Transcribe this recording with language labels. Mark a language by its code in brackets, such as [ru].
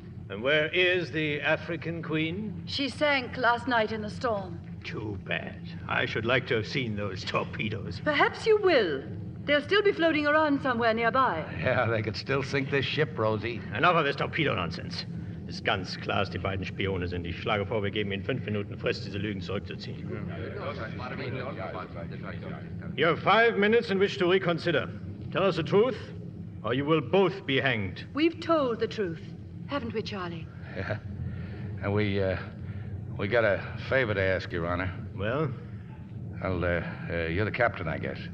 [en] And where is the African Queen? She sank last night in the storm. Too bad. I should like to have seen those torpedoes. Perhaps you will. They'll still be floating around somewhere nearby. Yeah, they could still sink this ship, Rosie. Enough of this torpedo nonsense. [de] Das ganz klar, die beiden Spione sind. Ich schlage vor, wir geben ihnen 5 Minuten Frist, diese Lügen zurückzuziehen. [en] You have 5 minutes in which to reconsider. Tell us the truth, or you will both be hanged. We've told the truth, haven't we, Charlie? Yeah. And we got a favor to ask, Your Honor. Well? Well, you're the captain, I guess.